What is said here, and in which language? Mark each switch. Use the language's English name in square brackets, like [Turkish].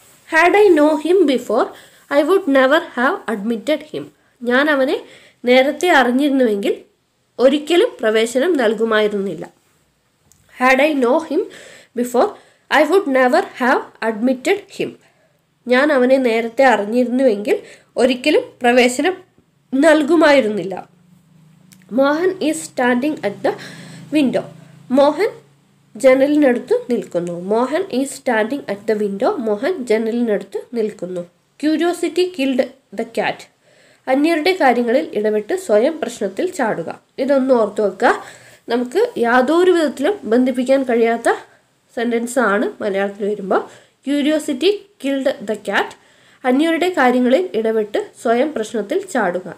[English] had I know him before I would never have admitted him [Malayalam] ഞാൻ അവനെ നേരത്തെ അറിഞ്ഞിരുന്നുവെങ്കിൽ ഒരിക്കലും പ്രവേശനം നൽകുമായിരുന്നില്ല. [English] had I know him before I would never have admitted him [Malayalam] ഞാൻ അവനെ നേരത്തെ അറിഞ്ഞിരുന്നുവെങ്കിൽ ഒരിക്കലും പ്രവേശനം നൽകുമായിരുന്നില്ല. [English] Mohan is standing at the window. [Malayalam] Mohan ജനലിനടുത്ത് നിൽക്കുന്നു. [English] Mohan is standing at the window. [Malayalam] Mohan ജനലിനടുത്ത് നിൽക്കുന്നു. [English] Curiosity killed the cat. [Malayalam] അന്യരുടെ കാര്യങ്ങളിൽ ഇടപെട്ട് സ്വയം പ്രശ്നത്തിൽ ചാടുക. ഇതൊന്ന് ഓർത്തു വെക്കുക. നമുക്ക് യാതൊരു വിധത്തിലും ബന്ധിപ്പിക്കാൻ കഴിയാത്ത സെൻറ്റൻസ് ആണ് മലയാളത്തിൽ വരുമ്പോൾ. [English] Curiosity killed the cat. [Malayalam] അന്യരുടെ കാര്യങ്ങളിൽ ഇടപെട്ട് സ്വയം പ്രശ്നത്തിൽ ചാടുക.